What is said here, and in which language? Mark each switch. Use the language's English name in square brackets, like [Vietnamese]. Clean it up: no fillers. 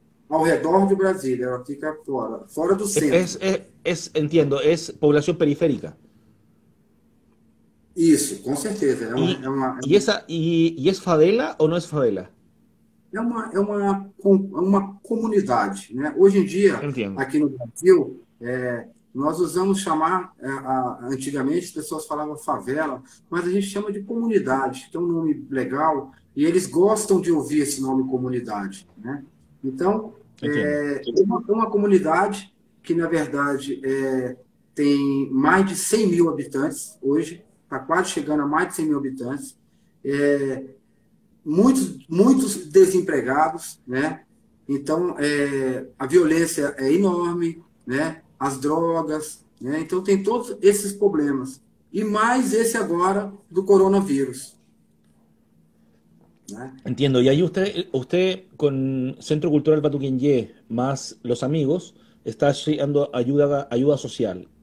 [Portuguese] ao redor de Brasília, ela fica fora do centro. [Spanish] Entiendo, es población periférica. [Portuguese] Isso, com certeza, [Spanish] Y es favela o no es favela? [Portuguese] é uma comunidade, né? Hoje em dia, [Spanish] Entiendo. [Portuguese] aqui no Brasil, nós usamos chamar, antigamente as pessoas falavam favela, mas a gente chama de comunidade, que é um nome legal, e eles gostam de ouvir esse nome comunidade, né? Então, [Spanish] Entiendo. [Portuguese] é uma comunidade que, na verdade, tem mais de 100 mil habitantes hoje, está quase chegando a mais de 100 mil habitantes, muitos desempregados, né? Então, a violência é enorme, né? As drogas, né? Então, tem todos esses problemas. E mais esse agora do coronavírus, né? [Spanish] Entiendo. Y ahí usted con Centro Cultural Batuquengué más los amigos está llevando ayuda social.